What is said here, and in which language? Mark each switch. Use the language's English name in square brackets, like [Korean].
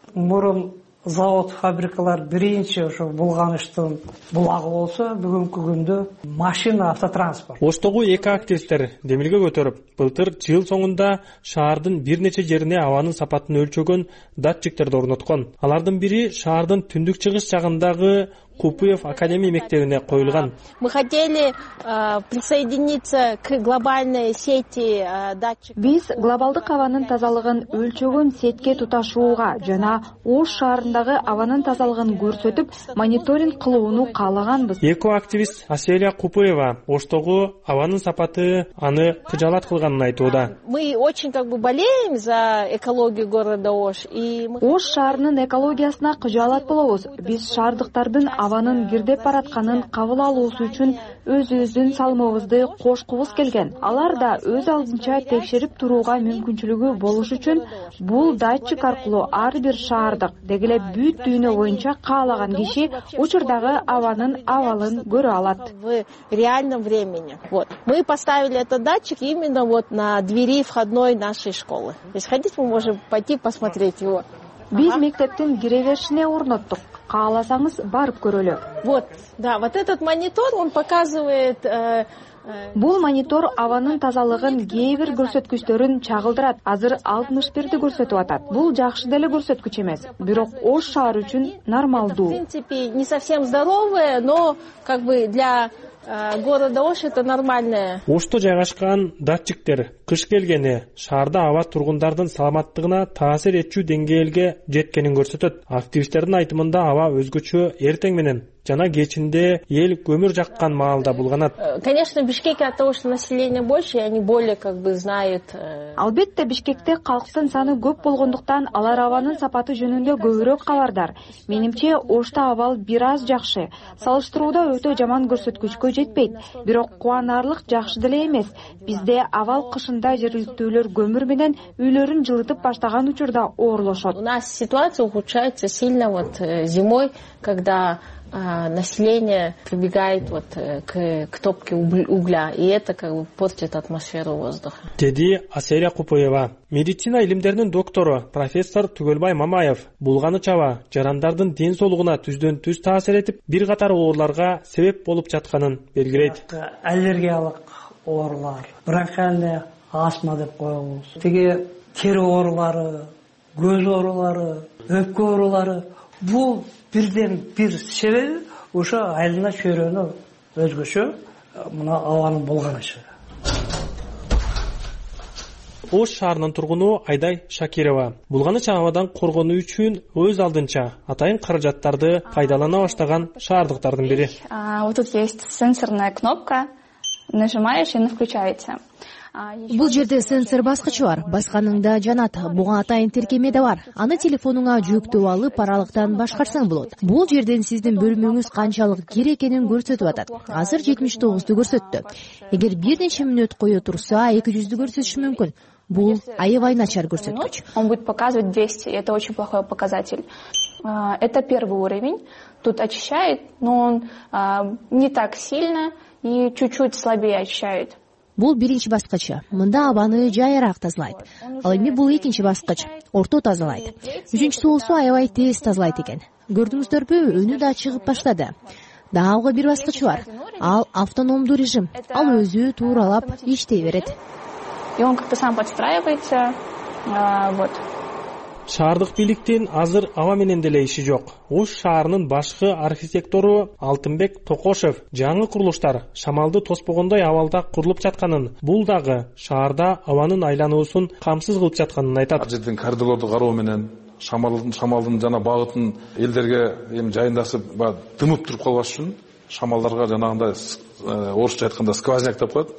[Kyrgyz] Мурун завод, фабрикалар биринчи ошо булганыштын булагы болсо, бүгүнкү күндө машина, автотранспорт. Оштогу эки активисттер демилге көтөрүп, былтыр жыл соңунда шаардын бир нече жерине абанын сапатын өлчөгөн датчиктерди орноткон. Алардын бири шаардын түндүк чыгыш жагындагы Купуев академия мектебине коюлган. [Russian] Мы хотели присоединиться к глобальной сети датчиков. [Kyrgyz] Биз глобалдык абанын тазалыгын өлчөгөн сетке туташууга жана Ош шаарындагы абанын тазалыгын көрсөтүп, мониторинг кылууну каалаганбыз. Эко активист Аселя Купуева Оштогу абанын сапаты аны кыжалат кылганын айтууда. [Russian] Мы очень болеем за экологию города Ош. [Kyrgyz] Ош шаарынын экологиясына кыжалат болобуз. Биз шаардыктардын абанын кирдеп баратканын кабыл алуусу үчүн өз-өзүн салмообузду кошкубуз келген. Алар да өз алдынча текшерип турууга мүмкүнчүлүгү болуш үчүн бул датчик аркылуу ар бир шаардык деги эле бүт дүйнө боюнча каалаган киши учурдагы абанын абалын көрө алат. [Russian] В реальном времени. Вот. Мы поставили этот датчик именно вот на двери входной нашей школы. Если хотите, мы можем пойти посмотреть его. [Kyrgyz] Биз мектептин кире беришине орноттук. Кааласаңыз барып көрөлү. [Russian] Вот, да, вот этот монитор, он показывает [Kyrgyz] Бул монитор абанын тазалыгын кээ бир көрсөткүчтөрүн чагылдырат. Азыр 61 көрсөтүп атат. Бул жакшы деле көрсөткүч эмес, бирок Ош шаар үчүн нормалдуу. [Russian] В принципе, не совсем здоровое, но как бы для города Ош это нормальное. [Kyrgyz] Ошто жайгашкан датчиктер кыш келгени шаарда аба тургундардын саламаттыгына таасир этчү деңгээлге жеткенин көрсөтөт. Активисттердин айтымында аба өзгөчө эртең менен жана кечинде эл көмүр жаккан маалда булганат. [Russian] Конечно, в Бишкеке от того, что население больше, они более как бы знают. [Kyrgyz] Албетте, Бишкекте калктын саны көп болгондуктан алар абанын сапаты жөнүндө көбүрөөк кабардар. Менимче, Ошто абал бир аз жакшы. Салыштырууда өтө жаман көрсөткүчкө жетпейт. Бирок кубанарлык жакшы деле эмес. Бизде абал кышында жергиликтүүлөр көмүр менен үйлөрүн жылытып баштаган учурда оорлошот. [Russian] У нас ситуация ухудшается сильно вот зимой, когда население прибегает вот к топке угля, и это как бы портит атмосферу воздуха. [Kyrgyz] Деди Асерия Купоева, медицина илимдеринин доктору профессор Түгөлбай Мамаев, булганыч аба жарандардын ден соолугуна түздөн-түз таасир этип, бир катар ооруларга себеп болуп жатканын белгилейт. Аллергиялык оорулар, бронхиальный астма деп коебуз. Тиги тери оорулары, көз оорулары, өпкө оорулары, бул бирден бир себеби ошо айлана чөйрөнү өзгөчө мына абанын болгонучу. Ош шаарынын тургуну Айдай Шакирова булганыч абадан коргонуу үчүн өз алдынча атайын каражаттарды пайдалана баштаган шаардыктардын бири. [Russian] Вот тут есть сенсорная кнопка, нажимаешь и она включается. [Kyrgyz] Бул жерде сенсор баскычы бар, басканың да жанат. Буга атайын тиркеме да бар. Аны телефонуңа жүктөп алып, аралыктан башкарсаң болот. Бул жерден сиздин бөлмөңүз канчалык кире экенин көрсөтүп атат. Азыр 79-ду көрсөттү. Эгер бир нече мүнөт кое турса, 200-ду көрсөтүшү мүмкүн. Бул аябай начар көрсөткүч. [Russian] Он будет показывать 200. Это очень плохой показатель. Это первый уровень. Тут очищает, но он не так сильно и чуть-чуть слабее очищает. [Kyrgyz] Бул биринчи баскычы. Мында абаны жайыраак тазалайт. Ал эми бул экинчи баскыч. Орто тазалайт. Үчүнчүсү болсо аябай тез тазалайт экен. Көрдүңүздөрбү, өнү да чыгып баштады. Дагы бир баскычы бар. Ал автономдуу режим. Ал өзү тууралап иштей берет. [Russian] И он как-то сам подстраивается. Вот. [Kyrgyz] Шаардык бийликтин азыр аба менен деле иши жок. Ош шаарынын башкы архитектору Алтынбек Токошев жаңы курулуштар шамалды тоспогондой абалда курулуп жатканын, бул дагы шаарда абанын айлануусун камсыз кылып жатканын айтат. Ал жерден коридорду кароо менен шамалдын жана багытын элдерге эми жайындасып тымып туруп калбаш үчүн шамалдарга жанагындай орусча айтканда сквозняк деп коет.